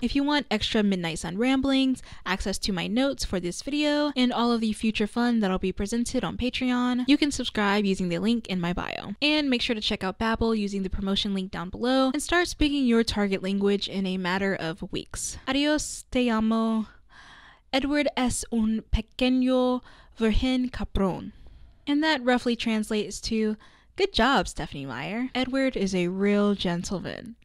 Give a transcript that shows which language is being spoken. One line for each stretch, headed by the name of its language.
English: If you want extra Midnight Sun ramblings, access to my notes for this video, and all of the future fun that'll be presented on Patreon, you can subscribe using the link in my bio. And make sure to check out Babbel using the promotion link down below and start speaking your target language in a matter of weeks.
Spanish: Adios, te amo. Edward es un pequeño virgen cabrón.
English: And that roughly translates to, good job, Stephanie Meyer. Edward is a real gentleman.